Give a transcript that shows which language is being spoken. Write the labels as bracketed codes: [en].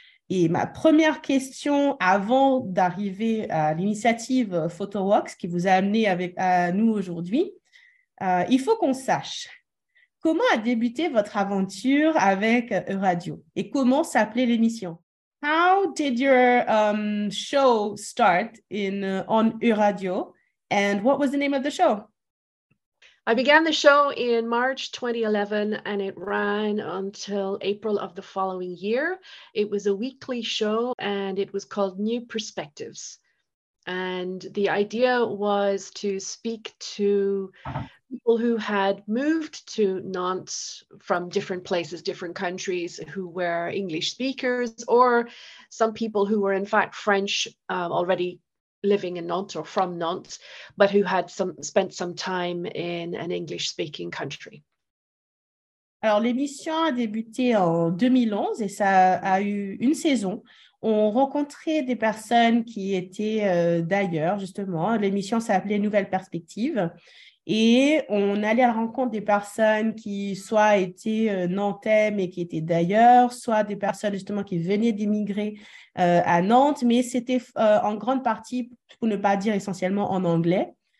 [fr] Et ma première question avant d'arriver à l'initiative Photowalks qui vous a amené avec nous aujourd'hui. Il faut qu'on sache comment a débuté votre aventure avec Euradio et comment s'appelait l'émission. [en] How did your show start on Euradio and what was the name of the show? I began the show in March 2011 and it ran until April of the following year. It was a weekly show and it was called New Perspectives. And the idea was to speak to people who had moved to Nantes from different places, different countries, who were English speakers, or some people who were in fact French, already living in Nantes or from Nantes, but who had spent some time in an English-speaking country. [fr] Alors, l'émission a débuté en 2011 et ça a eu une saison. On rencontrait des personnes qui étaient d'ailleurs, justement. L'émission s'appelait Nouvelles Perspectives. Et on allait à la rencontre des personnes qui soit étaient nantais, mais qui étaient d'ailleurs, soit des personnes justement qui venaient d'immigrer à Nantes, mais c'était en grande partie, pour ne pas dire essentiellement, en anglais.